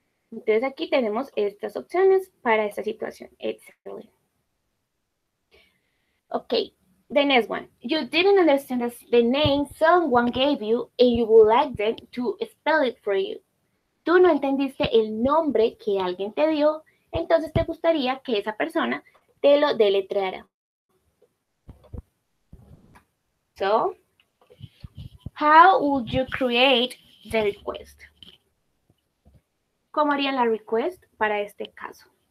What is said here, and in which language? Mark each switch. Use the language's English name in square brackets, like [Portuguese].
[Spanish] Entonces, aquí tenemos estas opciones para esta situación. Excelente. [English] Okay, the next one. You didn't understand the name someone gave you and you would like them to spell it for you. [Spanish] Tú no entendiste el nombre que alguien te dio Entonces te gustaría que esa persona te lo deletreara. [English] So, how would you create the request? [Spanish] ¿Cómo harían la request para este caso?